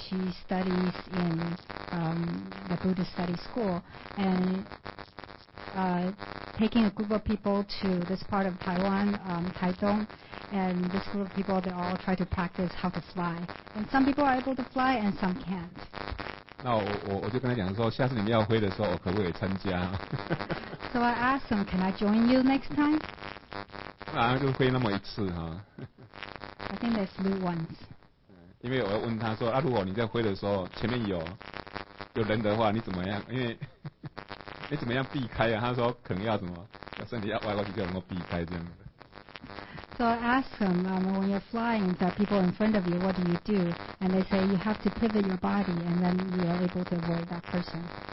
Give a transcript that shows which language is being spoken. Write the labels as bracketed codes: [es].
[en] She studies in the Buddhist study school, and taking a group of people to this part of Taiwan, Taidong. And this group of people, they all try to practice how to fly. And some people are able to fly, and some can't. [zh] 那我就跟他讲说，下次你们要飞的时候，我可不可以参加 [en] ？So I asked him, "Can I join you next time?" [zh] 好像就飞那么一次哈。 [en] I think they flew once. [zh] 因为我要问他说，如果你在飞的时候前面有人的话，你怎么样？因为你怎么样避开啊？他说可能要什么，要身体要歪过去，就能够避开这样。 [en] So I asked him, when you're flying, the people in front of you, what do you do? And they say, you have to pivot your body, and then you are able to avoid that person.